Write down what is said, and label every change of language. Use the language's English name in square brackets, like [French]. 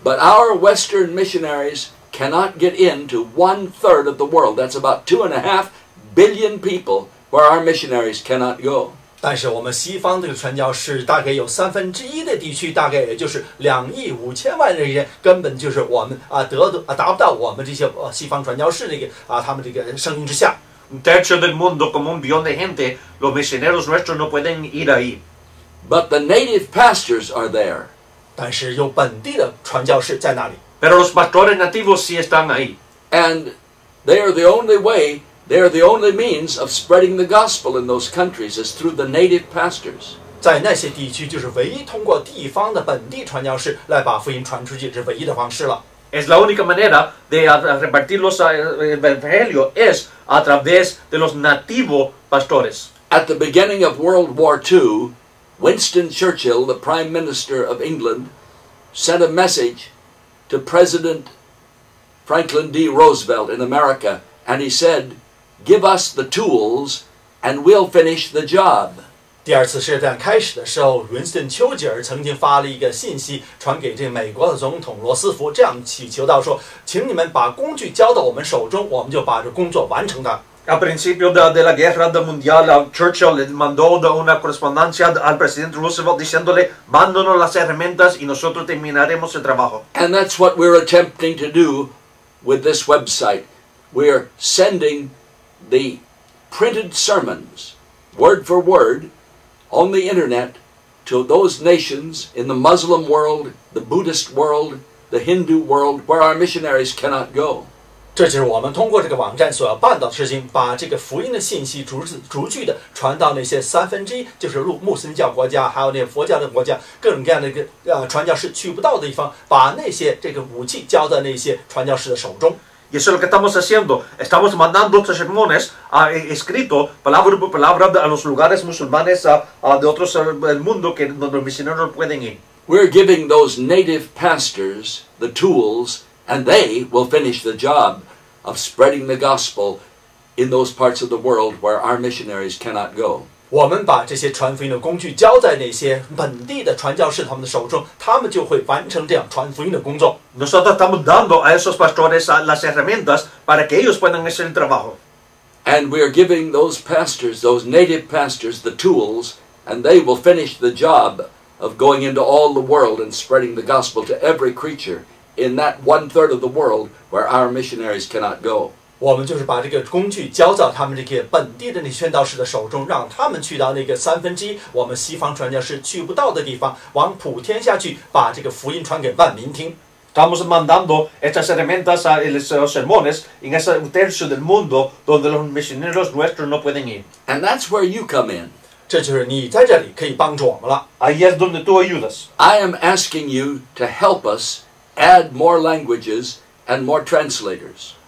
[English] But our Western missionaries cannot get into 1/3 of the world. That's about 2.5 billion people where our missionaries cannot go. [Chinese] 但是我们西方的传教士大概有三分之一的地区，大概也就是2.5亿的人，根本就是我们达不到我们这些西方传教士的他们这个声音之下。 [Spanish] Un tercio del mundo, como 1 billón de gente, los misioneros nuestros no pueden ir ahí. [English] But the native pastors are there. [Chinese] 但是有本地的传教士在那里。 [Spanish] Pero los pastores nativos sí están ahí. [English] And they are the only way, they are the only means of spreading the gospel in those countries is through the native pastors. [Chinese] 在那些地区，就是唯一通过地方的本地传教士来把福音传出去，是唯一的方式了。 [Spanish] Es la única manera de repartir los evangelios es a través de los nativos pastores. [English] At the beginning of World War II, Winston Churchill, the Prime Minister of England, sent a message to President Franklin D. Roosevelt in America, and he said, "Give us the tools, and we'll finish the job." [Chinese] 第二次世界大战开始的时候，伦斯顿·丘吉尔曾经发了一个信息传给这美国的总统罗斯福，这样祈求到说，请你们把工具交到我们手中，我们就把这工作完成的。 [Spanish] A principio de la guerra mundial, Churchill le mandó una correspondencia al presidente Roosevelt diciéndole, mándonos las herramientas y nosotros terminaremos el trabajo. [English] And that's what we're attempting to do with this website. We're sending the printed sermons, word for word, on the internet to those nations in the Muslim world, the Buddhist world, the Hindu world, where our missionaries cannot go. [Chinese] 这就是我们通过这个网站所要办到的事情，把这个福音的信息逐句的传到那些三分之一，就是穆斯林教国家，还有那佛教的国家，各种各样的传教士去不到的地方，把那些这个武器交在那些传教士的手中。 [Spanish] Y eso es lo que estamos haciendo. Estamos mandando estos sermones escritos palabra por palabra a los lugares musulmanes de otros del mundo que donde los misioneros no pueden ir. [English] We're giving those native pastors the tools, and they will finish the job of spreading the gospel in those parts of the world where our missionaries cannot go. [Chinese] 我们把这些传福音的工具交在那些本地的传教士他们的手中，他们就会完成这样传福音的工作。 [Spanish] Nosotros estamos dando a esos pastores las herramientas para que ellos puedan hacer el trabajo. [English] And we are giving those pastors, those native pastors, the tools, and they will finish the job of going into all the world and spreading the gospel to every creature in that one third of the world where our missionaries cannot go. [Chinese] 我们就是把这个工具交到他们这个本地的那宣道士的手中，让他们去到那个三分之一我们西方传教士去不到的地方，往普天下去把这个福音传给万民听。 [Spanish] Estamos mandando estas herramientas a los sermones en ese tercio del mundo donde los misioneros nuestros no pueden ir. [English] And that's where you come in. [Chinese] 这就是你在这里可以帮助我们了。 [Spanish] Ahí es donde tú ayudas. [English] I am asking you to help us add more languages and more translators.